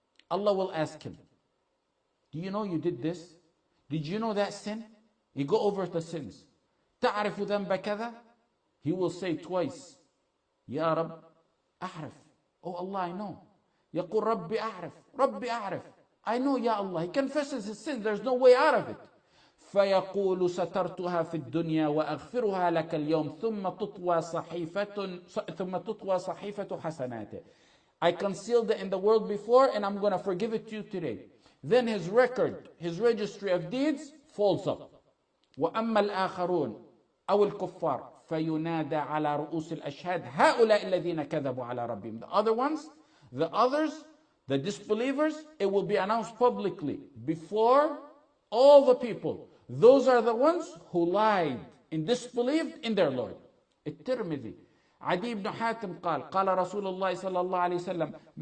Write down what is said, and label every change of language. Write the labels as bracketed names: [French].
[English] Allah will ask him, do you know you did this? Did you know that sin? He go over the sins. [Arabic] تعرف ذنب كذا? [English] He will say twice, [Arabic] يا رب أعرف. [English] Oh Allah, I know. [Arabic] يقول ربي أعرف ربي أعرف. [English] I know, [Arabic] يا الله. [English] He confesses his sin. There's no way out of it. [Arabic] فيقول سترتها في الدنيا وأغفرها لك اليوم ثم تطوى صحيفة حسناته. [English] I concealed it in the world before and I'm going to forgive it to you today. Then his record, his registry of deeds falls up. [Arabic] وأما الآخرون أو الكفار فينادى على رؤوس الأشهاد هؤلاء الذين كذبوا على ربهم. [English] The other ones, the others, the disbelievers, it will be announced publicly before all the people. Those are the ones who lied and disbelieved in their Lord. [Arabic] الترمذي عدي بن حاتم قال قال رسول الله صلى الله عليه وسلم